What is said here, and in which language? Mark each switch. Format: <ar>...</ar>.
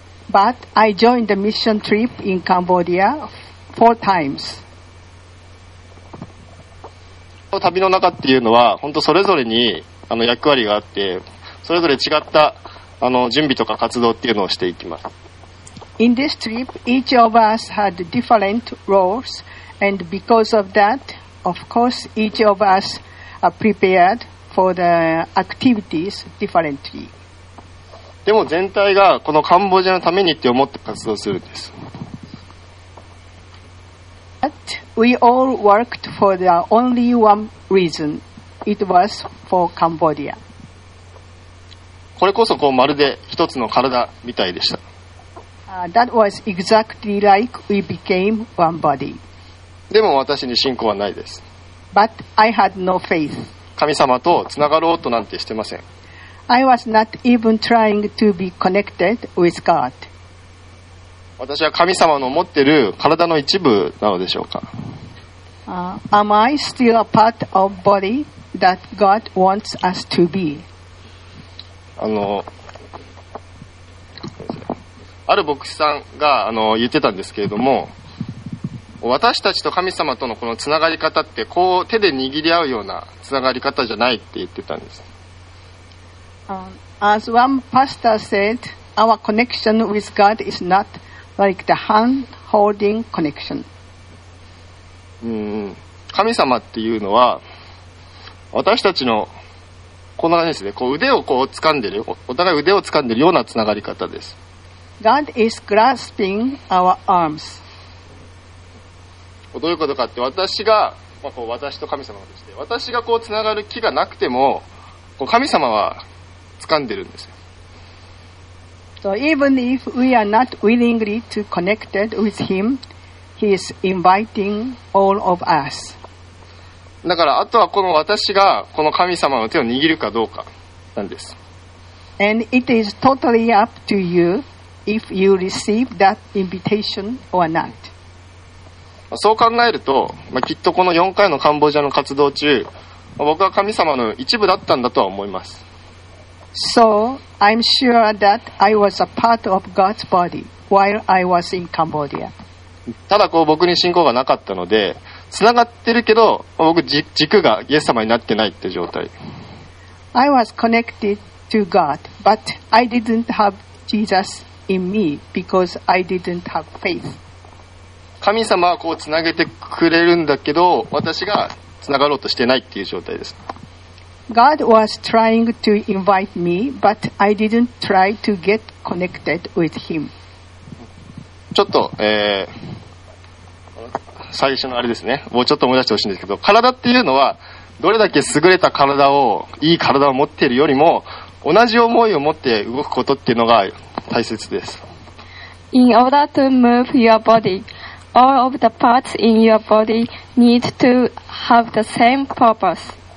<en>But I joined the mission trip in Cambodia four times.</en> <ja>旅の中っていうのは本当それぞれに役割があって、それぞれ違った準備とか活動っていうのをしていきます。</ja> <en>In this trip, each of us had different roles, and because of that, of course, each of us are prepared for the activities differently.</en> <ja>でも全体がこのカンボジアのためにって思って活動するんです。</ja> <en>But we all worked for the only one reason. It was for Cambodia.</en> <ja>これこそこうまるで一つの体みたいでした。</ja> <en>That was exactly like we became one body.</en> <ja>でも私に信仰はないです。</ja> <en>But I had no faith.</en> <ja>神様とつながろうとなんてしてません。</ja> <en>I was not even trying to be connected with God.</en> <ja>私は神様の持っている体の一部なのでしょうか。</ja> <en>Am I still a part of body that God wants us to be?</en> <ja>ある牧師さんが言ってたんですけれども、私たちと神様とのこのつながり方ってこう手で握り合うようなつながり方じゃないって言ってたんです。</ja> <en>As one pastor said, our connection with God is notLike、the hand-holding connection.</en> <ja>神様っていうのは私たちのこんな感じですね。こう腕をこう掴んでる、 お互い腕を掴んでるようなつながり方です。</ja> <en>God is grasping our arms.</en> <ja>どういうことかって、私が、まあ、こう私と神様として、私がこうつながる気がなくてもこう神様は掴んでるんですよ。</ja> <en>So even if we are not willingly to connected with him, he is inviting all of us.</en> <ja>だからあとはこの私がこの神様の手を握るかどうかなんです。</ja> <en>And it is totally up to you if you receive that invitation or not.</en> <ja>そう考えると、まあ、きっとこの4回のカンボジアの活動中、僕は神様の一部だったんだとは思います。</ja> <en>So, I'm sure that I was a part of God's body while I was in Cambodia.</en> <ja>ただこう僕に信仰がなかったので、つながってるけど、僕軸がイエス様になってないって状態。</ja> <en>I was connected to God, but I didn't have Jesus in me because I didn't have faith.</en> <ja>神様はこうつなげてくれるんだけど、私がつながろうとしてないっていう状態です。</ja> <en>God was trying to invite me, but I didn't try to get connected with him.</en> <ja>ちょっと、最初のあれですね、もうちょっと思い出してほしいんですけど、体っていうのはどれだけ優れた体を、いい体を持っているよりも同じ思いを持って動くことっていうのが大切です。</ja> <en>In order to move your body, all of the parts in your body need to have the same purpose.</en>